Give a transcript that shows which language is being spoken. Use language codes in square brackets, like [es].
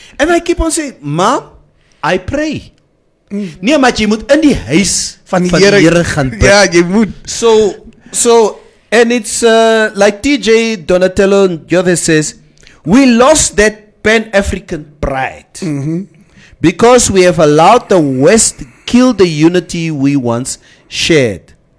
[en] And I keep on saying, Mom, I pray. [af] Nee, maar jy moet in die huis van die Here gaan bid. Ja, jy moet. [en] So, and it's like TJ Donatello and Jode says, we lost that Pan-African pride. Mm-hmm. Because we have allowed the West kill the unity we once shared.